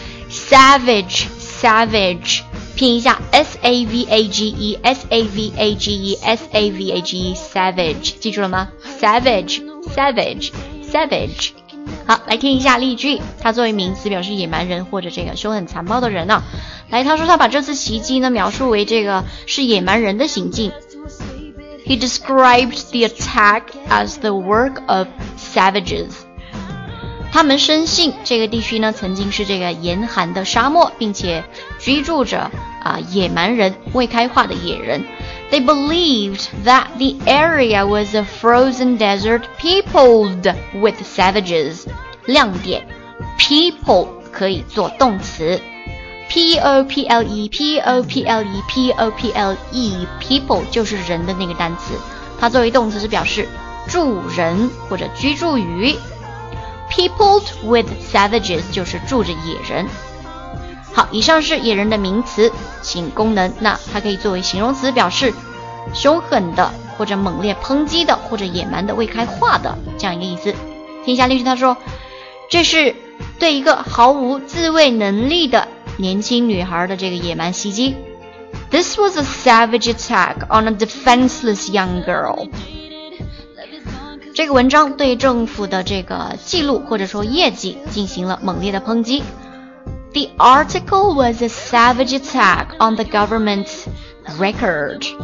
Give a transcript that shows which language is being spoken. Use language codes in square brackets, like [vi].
[en] Savage， Savage， [zh] 拼一下 [en] S-A-V-A-G-E S-A-V-A-G-E S-A-V-A-G-E Savage， [zh] 记住了吗？ SavageSavage, savage. 好，来听一下例句。他作为名词表示野蛮人或者这个凶狠残暴的人呢。来，他说他把这次袭击呢描述为这个是野蛮人的行径。 [en] He described the attack as the work of savages. [zh] 他们深信这个地区呢曾经是这个严寒的沙漠，并且居住着野蛮人，未开化的野人。 [en] They believed that the area was a frozen desert peopled with savages. [zh] 亮点 P people 可以做动词 people people 就是人的那个单词，它作为动词是表示住人或者居住于。 [en] peopled with savages [zh] 就是住着野人。好，以上是野人的名词请功能，那它可以作为形容词表示凶狠的或者猛烈抨击的或者野蛮的未开化的这样一个意思。听一下例句，他说这是对一个毫无自卫能力的年轻女孩的这个野蛮袭击。 [en] This was a savage attack on a defenseless young girl. [zh] 这个文章对政府的这个记录或者说业绩进行了猛烈的抨击。 [en] The article was a savage attack on the government's record.